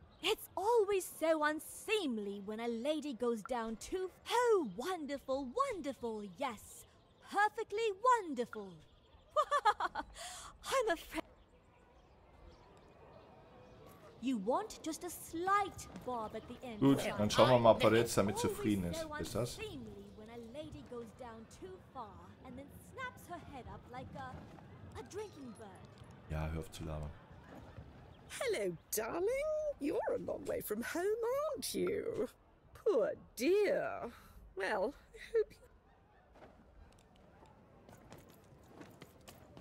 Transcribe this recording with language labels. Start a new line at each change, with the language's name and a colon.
English: It's always so unseemly when a lady goes down to... Oh, wonderful, wonderful, yes! Perfectly wonderful! I'm afraid... You want just a slight bob at the end.
German: Gut, dann schauen wir mal, ob er jetzt damit zufrieden ist. Ist das?
English: When a lady goes down too far and then snaps her head up like a drinking bird.
German: Ja, hör auf zu labern.
English: Hello, darling. You're a long way from home, aren't you? Poor dear. Well, I hope you...